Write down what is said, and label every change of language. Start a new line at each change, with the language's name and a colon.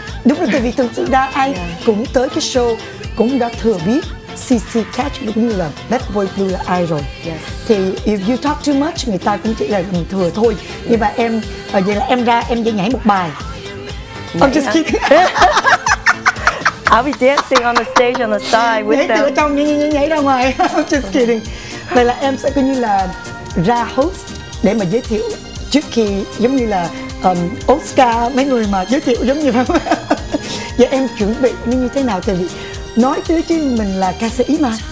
Vietnamese: Đúng rồi, tại vì thực sự ra ai cũng tới cái show cũng đã thừa biết CC Catch cũng như là Bad Boy Blue là ai rồi.
English: Yes.
Vietnamese: Thì
English: if you talk too much,
Vietnamese: người ta cũng chỉ là thừa thôi. Nhưng mà em, vậy là em ra em sẽ nhảy một bài. Nhảy,
English: I'm just kidding. I'll be dancing on the stage on the side with
Vietnamese: nhảy
English: them.
Vietnamese: Nhảy từ trong nhảy ra ngoài.
English: I'm just kidding.
Vietnamese: Vậy là em sẽ coi như là ra host để mà giới thiệu trước khi giống như là Oscar mấy người mà giới thiệu giống như vậy. Vậy em chuẩn bị như thế nào? Tại vì nói tới chứ mình là ca sĩ mà.